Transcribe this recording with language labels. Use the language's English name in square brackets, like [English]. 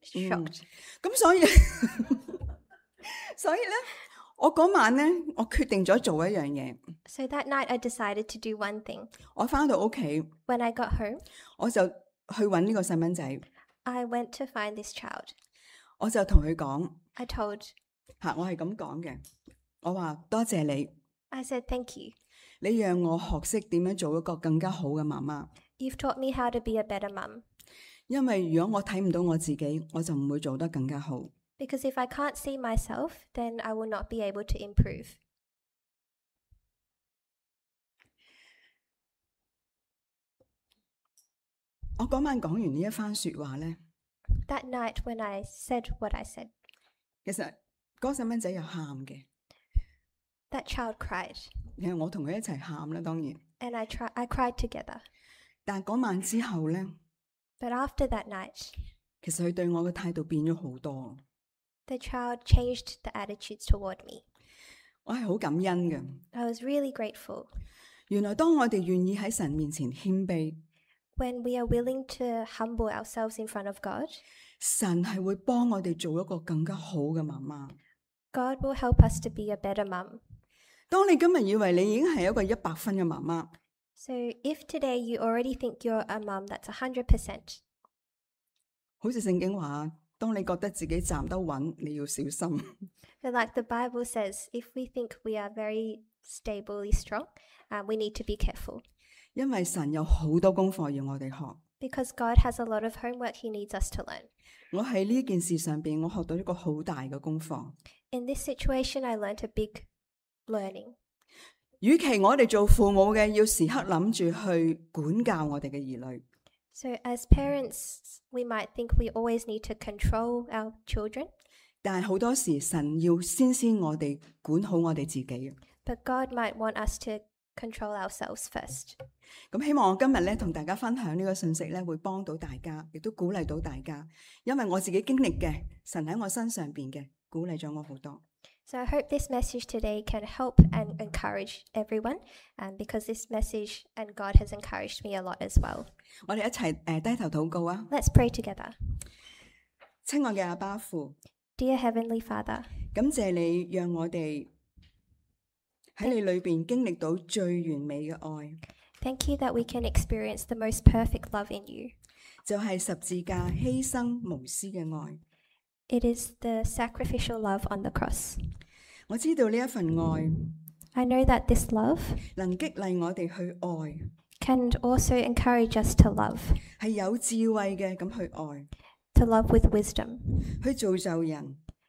[Chinese] 咁所以咧，我嗰晚咧，我決定咗做一樣嘢。 [English] So that night, I decided to do one thing. [Chinese] 我翻到屋企。 [English] When I got home, [Chinese] 我就去揾呢個細蚊仔。 [English] I went to find this child. [Chinese] 我就同佢講。 [English] I told. [Chinese] 嚇，我係咁講嘅。我话多谢你。 [English] I said thank you. [Chinese] 你让我学识点样做一个更加好嘅妈妈。 [English] You've taught me how to be a better mum. [Chinese] 因为如果我睇唔到我自己，我就唔会做得更加好。 [English] Because if I can't see myself, then I will not be able to improve. [Chinese] 我嗰晚讲完呢一番说话咧。 [English] That night when I said what I said. [Chinese] 其实嗰细蚊仔又喊嘅。 [English] That child cried. [Chinese] 然后我同佢一齐喊啦，当然。 [English] And I cried together. [Chinese] 但嗰晚之后咧 [English] ，But after that night, [Chinese] 其实佢对我嘅态度变咗好多。 [English] The child changed the attitudes toward me. [Chinese] 我系好感恩嘅。 [English] I was really grateful. [Chinese] 原来当我哋愿意喺神面前谦卑 [English] ，When we are willing to humble ourselves in front of God, [Chinese] 神系会帮我哋做一个更加好嘅妈妈。 [English] God will help us to be a better mom. [Chinese] 当你今日以为你已经系一个一百分嘅妈妈 [English] ，So if today you already think you're a mom that's 100%， [Chinese] 好似圣经话，当你觉得自己站得稳，你要小心。 [English] But like the Bible says, if we think we are very stably strong, we need to be careful. [Chinese] 因为神有好多功课要我哋学。 [English] Because God has a lot of homework He needs us to learn. [Chinese] 我喺呢件事上边，我学到一个好大嘅功课。 [English] In this situation, I learned a big learning. [Chinese] 与其我哋做父母嘅，要时刻谂住去管教我哋嘅儿女。 [English] So as parents, we might think we always need to control our children. [Chinese] 但系好多时，神要先我哋管好我哋自己。 [English] But God might want us to control ourselves first. [Chinese] 咁希望我今日咧同大家分享呢个信息咧，会帮到大家，亦都鼓励到大家。因为我自己经历嘅，神喺我身上边嘅。 [English] So I hope this message today can help and encourage everyone, because this message and God has encouraged me a lot as well. [Chinese] 我哋一齐低头祷告啊 [English] ！Let's pray together. [Chinese] 亲爱嘅阿爸父 [English] ，Dear Heavenly Father， [Chinese] 感谢你让我哋喺你里边经历到最完美嘅爱。 [English] Thank you that we can experience the most perfect love in you. [Chinese] 就系十字架牺牲无私嘅爱。 [English] It is the sacrificial love on the cross. [Chinese] 我知道呢一份爱 [English] I know that this love [Chinese] 能激励我哋去爱 [English] can also encourage us to love. [Chinese] 系有智慧嘅咁去爱 [English] to love with wisdom. [Chinese] 去造就人